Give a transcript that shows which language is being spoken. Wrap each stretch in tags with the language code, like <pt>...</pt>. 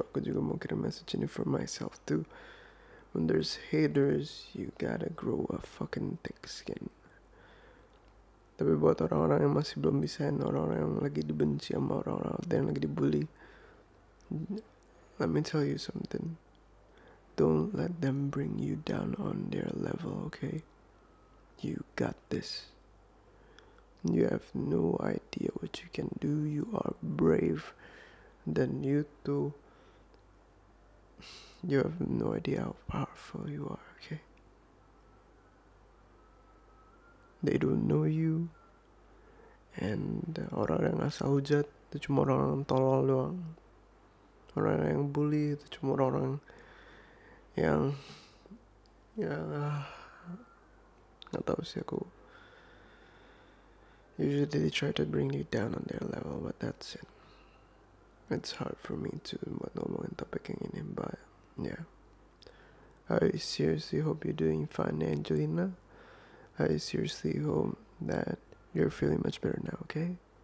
<id>Aku juga mau kirim message ini</id> <en>for myself too. When there's haters, you gotta grow a fucking thick skin.</en> <id>Tapi buat orang-orang yang masih belum bisa, orang-orang yang lagi dibenci sama orang-orang dan lagi dibully,</id> <en>let me tell you something. Don't let them bring you down on their level, okay? You got this. You have no idea what you can do. You are brave than you do. You have no idea how powerful you are, okay? They don't know you. And</en> <id>orang-orang yang asal hujat, itu cuma orang-orang tolol doang. Orang-orang yang bully, itu cuma orang-orang yang gak tahu sih aku.</id> <en>Usually they try to bring you down on their level, but that's it. It's hard for me to</en> <id>buat ngomongin topik yang ini,</id> <en>but yeah. I seriously hope you're doing fine, Angelina. I seriously hope that you're feeling much better now, okay?</en>